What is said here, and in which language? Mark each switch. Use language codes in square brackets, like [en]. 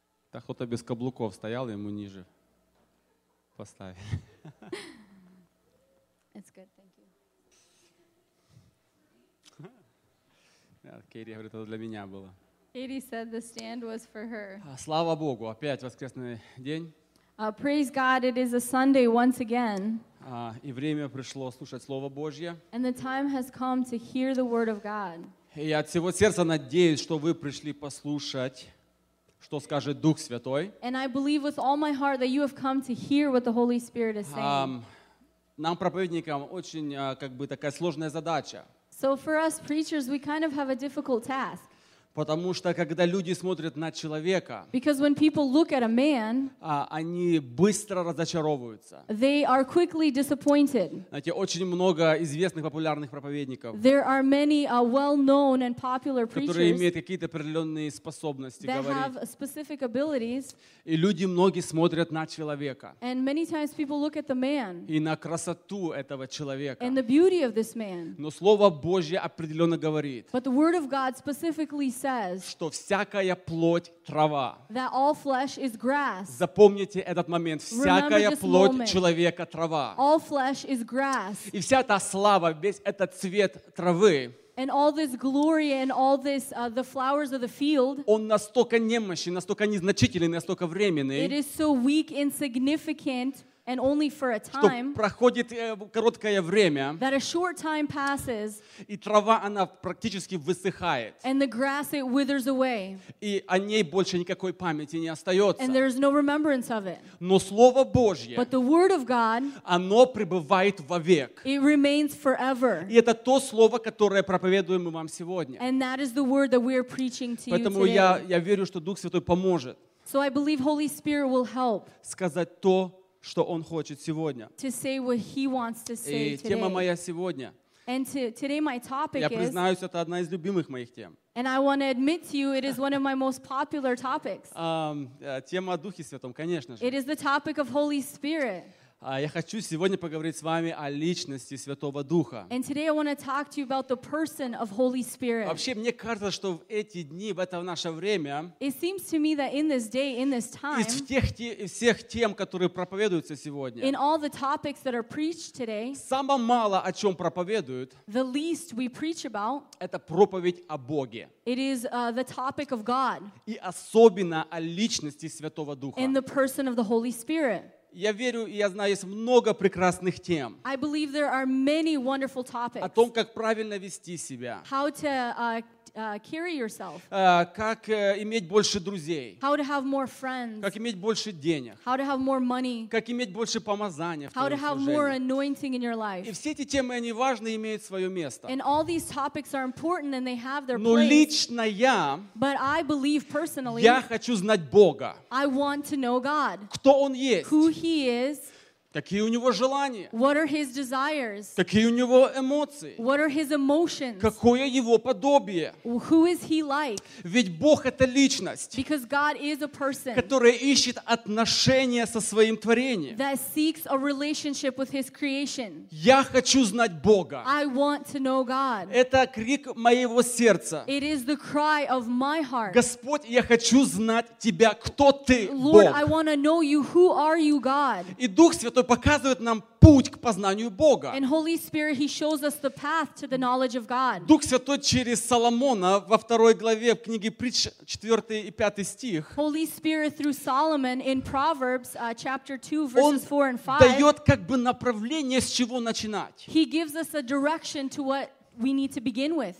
[ru] Так кто-то без каблуков стоял, ему ниже поставили. [en] It's good, thank you. [ru] Кейри говорит, это для меня было. [en] Katie said the stand was for her. [ru] Слава Богу, опять воскресный день. [en] Praise God, it is a Sunday once again. [ru] И время пришло слушать Слово Божье. [en] And the time has come to hear the word of God. [ru] И я от всего сердца надеюсь, что вы пришли послушать, что скажет Дух Святой. [en] And I believe with all my heart that you have come to hear what the Holy Spirit is saying. [ru] Нам, проповедникам, очень такая сложная задача. [en] So for us preachers, we kind of have a difficult task. [ru] Потому что когда люди смотрят на человека, [en] because when people look at a man, [ru] они быстро разочаровываются. [en] They are quickly disappointed. [ru] Знаете, очень много известных популярных проповедников. [en] There are many well-known and popular preachers, [ru] которые имеют какие-то определенные способности [en] that [ru] говорить. [en] Have specific abilities. [ru] И люди многие смотрят на человека. [en] And many times people look at the man. [ru] И на красоту этого человека. [en] And the beauty of this man. [ru] Но Слово Божье определенно говорит. [en] But the word of God specifically says, [ru] что всякая плоть трава. [en] That all flesh is grass. [ru] Запомните этот момент. Всякая плоть человека трава. [en] All flesh is grass. [ru] И вся эта слава, весь этот цвет травы. [en] And all this glory and all this the flowers of the field. [ru] Он настолько немощен, настолько незначительный, настолько временный. [en] It is so weak, insignificant. And only for a time, [ru] что проходит короткое время, [en] that a short time passes, [ru] и трава, она практически высыхает, [en] and the grass, it withers away, [ru] и о ней больше никакой памяти не остается, [en] and there is no remembrance of it. [ru] Но Слово Божье, [en] but the word of God, [ru] оно пребывает вовек, [en] it remains forever. [ru] И это то Слово, которое проповедуем мы вам сегодня. [en] And that is the word that we are preaching to [ru] Поэтому [en] you today. [ru] Поэтому я верю, что Дух Святой поможет. [en] So I believe Holy Spirit will help. [ru] Сказать то, что Он хочет сегодня. [en] To say what he wants to say [ru] и тема [en] today. [ru] Моя сегодня. [en] And today my topic [ru] я признаюсь, это одна из любимых моих тем. [en] And I want to admit to you, it is one of my most popular topics. [ru] Тема о Духе Святом, конечно же. [en] It is the topic of Holy Spirit. [ru] Я хочу сегодня поговорить с вами о личности Святого Духа. [en] And today I want to talk to you about the person of Holy Spirit. [ru] Вообще, мне кажется, что в эти дни, в это наше время, [en] it seems to me that in this day, in this time, [ru] из всех тем, которые проповедуются сегодня, [en] in all the topics that are preached today, [ru] само мало о чем проповедуют, [en] the least we preach about, [ru] это проповедь о Боге. [en] It is the topic of God. [ru] И особенно о личности Святого Духа. [en] And the person of the Holy Spirit. [ru] Я верю, и я знаю, есть много прекрасных тем. [en] I believe there are many wonderful topics. [ru] О том, как правильно вести себя. [en] How to carry yourself. [ru] Как иметь больше друзей. [en] How to have more friends. [ru] Как иметь больше денег. [en] How to have more money. [ru] Как иметь больше помазания в [en] How [ru] твоем [en] to have [ru] служении. [en] More anointing in your life. [ru] И все эти темы, они важны и имеют свое место. [en] And all these topics are important and they have their [ru] Но [en] place. [ru] Но лично я, [en] But I believe personally, [ru] я хочу знать Бога. [en] I want to know God. [ru] Кто Он есть. [en] Who He is. [ru] Какие у него желания? [en] What are his desires? [ru] Какие у него эмоции? [en] What are his emotions? [ru] Какое его подобие? [en] Who is he like? [ru] Ведь Бог — это личность, [en] Because God is a person, [ru] которая ищет отношения со своим творением. [en] That seeks a relationship with his creation. [ru] Я хочу знать Бога. [en] I want to know God. [ru] Это крик моего сердца. [en] It is the cry of my heart. [ru] Господь, я хочу знать Тебя, кто Ты, [en] Lord, [ru] Бог. [en] I want to know you. Who are you, God? [ru] И Дух Святой который показывает нам путь к познанию Бога. [en] And Holy Spirit, He shows us the path to the knowledge of God. [ru] Дух Святой через Соломона во второй главе книги Притч, 4 и 5 стих, [en] Holy Spirit through Solomon in Proverbs, chapter 2, verses 4 and 5, [ru] Он дает направление, с чего начинать. [en] He gives us a direction to what we need to begin with.